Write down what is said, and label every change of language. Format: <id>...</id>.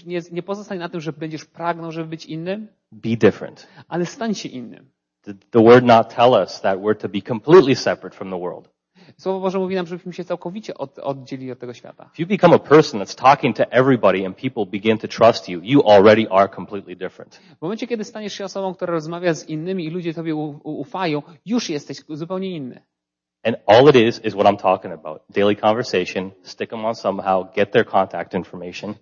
<pl>Nie pozostań na tym, że będziesz pragnął, żeby być innym.</pl> <en>Be different.</en> <pl>Ale stań się innym.</pl> <en>The word not tell us that we're to be completely separate from the world.</en> <pl>Słowo Boże mówi nam, żebyśmy się całkowicie oddzielili od tego świata.</pl> <en>If you become a person that's talking to everybody and people begin to trust you, you already are completely different.</en> <pl>W momencie, kiedy staniesz się osobą, która rozmawia z innymi i ludzie tobie ufają, już jesteś zupełnie inny.</pl> <en>And all it is what I'm talking about. Daily conversation, stick them on somehow, get their contact information.</en>